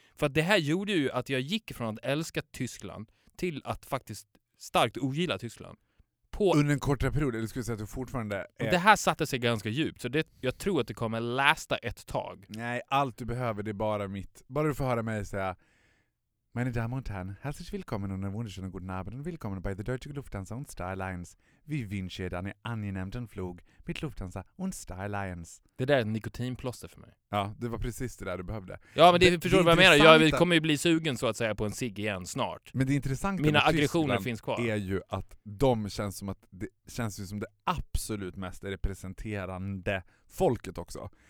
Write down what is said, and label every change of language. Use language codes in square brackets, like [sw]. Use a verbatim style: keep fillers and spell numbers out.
[sv] För att det här gjorde ju att jag gick från att älska Tyskland till att faktiskt starkt ogilla Tyskland. På... Under en kortare period, eller skulle jag säga att du fortfarande är... Och det här satte sig ganska djupt, så det, jag tror att det kommer lästa ett tag. Nej, allt du behöver det är bara mitt... Bara du får höra mig säga... [de] Meine Damen und Herren, herzlich willkommen und einen wunderschönen guten Abend und willkommen bei der Deutschen Lufthansa und Star Alliance. Vi wünschen einen angenehmen Flug mit Lufthansa und Star Alliance. [sv] Det där är en nikotinplåster för mig. Ja, det var precis det där du behövde. Ja, men det, det förstår det du vad jag menar. Jag kommer ju bli sugen så att säga på en cigg igen snart. Men det intressanta Mina aggressioner finns kvar. Är ju att de känns som att det känns ju som det absolut mest representerande folket också.